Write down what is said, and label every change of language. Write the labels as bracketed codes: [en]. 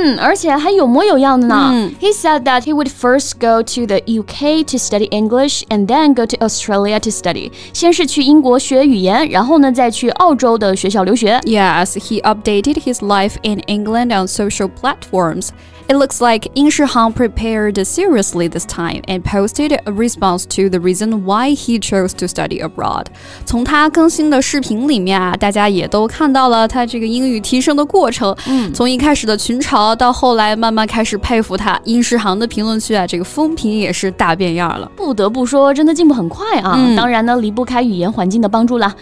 [zh] 而且还有模有样的呢 [en] He said that he would first go to the UK to study English and then go to Australia to study. [zh] 先是去英国学语言然后呢再去澳洲的学校留学。 [en] Yes, he updated his life in England on social platforms. It looks like 英世航 prepared seriously this time and posted a response to the reason why he chose to study abroad. [zh] 从他更新的视频里面啊大家也都看到了他这个英语提升的过程。从一开始的群嘲到后来慢慢开始配服他英世航的评论区啊这个风评也是大变样了不得不说真的进步很快啊当然呢离不开语言环境的帮助了